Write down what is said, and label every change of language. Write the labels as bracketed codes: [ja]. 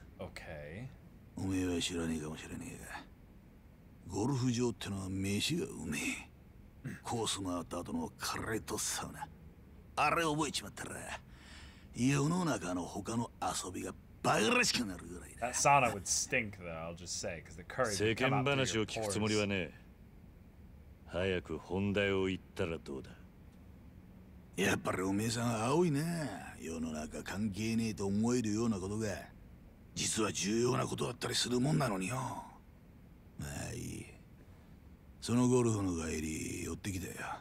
[ja] OK。おめえは知らねえかもしれねえが、ゴルフ場ってのは飯がうめえ。コース回った後のカレーとサウナ。あれ覚えちまったら、家の中の他の遊びがバカらしくなるぐらいだ。 [en] That sauna would stink, though, I'll just say, because the curry would come up through your pores. [ja] 世間話を聞くつもりはねえ。早く本題を言ったらどうだ。やっぱりおめえさんは青いな。世の中関係ねえと思えるようなことが、実は重要なことだったりするもんなのによ。まあいい。そのゴルフの帰り、寄ってきたよ。